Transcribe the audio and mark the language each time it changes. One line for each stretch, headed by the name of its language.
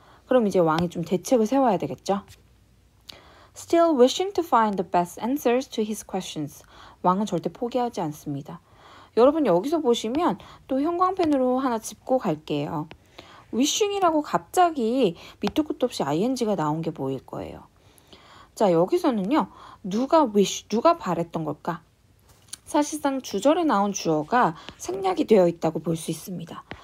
Korean: 그럼 이제 왕이 좀 대책을 세워야 되겠죠?
English: Still wishing to find the best answers to his questions.
Korean: 왕은 절대 포기하지 않습니다. 여러분 여기서 보시면 또 형광펜으로 하나 짚고 갈게요. wishing이라고 갑자기 밑도 끝도 없이 ing가 나온 게 보일 거예요. 자, 여기서는요. 누가 wish, 누가 바랬던 걸까? 사실상 주절에 나온 주어가 생략이 되어 있다고 볼 수 있습니다.